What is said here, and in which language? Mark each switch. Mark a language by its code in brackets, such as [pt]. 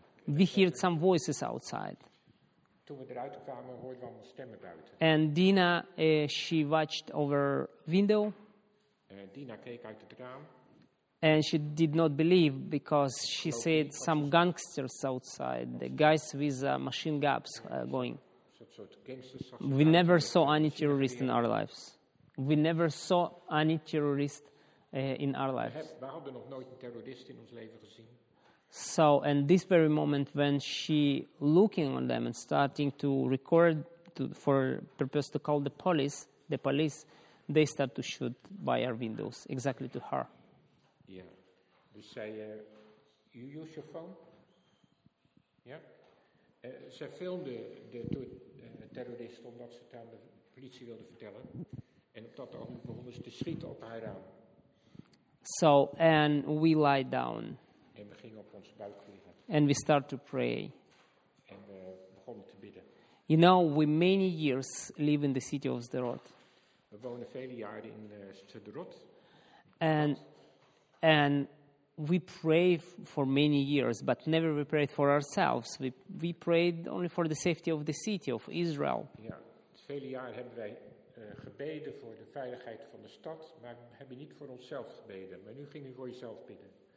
[en] We heard some voices outside. [nl] Toen we eruit kwamen, hoorden we allemaal stemmen buiten. [en] And Dina, she watched over window. [nl] Dina keek uit het raam. [en] And she did not believe because she said some gangsters outside, the guys with machine guns going. We never saw any terrorist in our lives. We never saw any terrorist in our lives. [nl] We hadden nog nooit een terrorist in ons leven gezien. [en] So, and this very moment when she looking on them and starting to record for purpose to call the police, they start to shoot by our windows, exactly to her. [nl] Ja, dus zij, [en] you use your phone? [nl] Ja? Zij filmde de terrorist omdat ze het aan de politie wilde vertellen. En op dat ogenblik begonnen ze te schieten op haar raam. [en] So, and we lie down. [nl] En we gingen op ons buik liggen. [en] And we start to pray. [nl] En we begonnen te bidden. [en] You know, we many years live in the city of Sderot. [nl] We wonen vele jaren in Sderot. [en] And we pray for many years, but never we prayed for ourselves. We prayed only for the safety of the city, of Israel. [nl] Ja, vele jaren hebben wij gebeden voor de veiligheid van de stad, maar hebben niet voor onszelf gebeden. Maar nu ging u voor jezelf bidden.